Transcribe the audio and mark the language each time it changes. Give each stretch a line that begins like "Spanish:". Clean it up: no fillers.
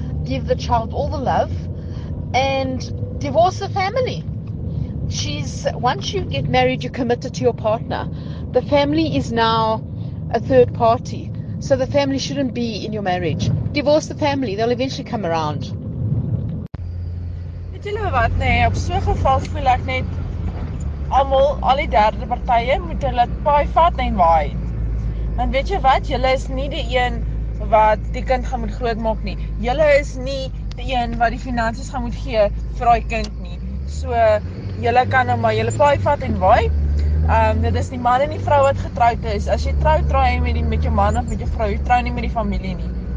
English: Give the child all the love and divorce the family. She's, once you get married, you're committed to your partner. The family is now a third party. So the family shouldn't be in your marriage. Divorce the family. They'll eventually come around.
Afrikaans: Weet julle wat, nee, op so 'n geval voel ek net almal, al die derde partye moet hulle paai vat en waai. Want weet jy wat, julle is nie die een wat die kind gaan moet grootmaak nie. Julle is nie die een wat die finansies gaan moet gee vir daai kind nie. So julle kan nou maar julle paai vat en waai. Dit is die man en die vrou wat getroud is. As jy trou, trou jy met die, met jou man of met jou vrou. Jy trou nie met die familie nie.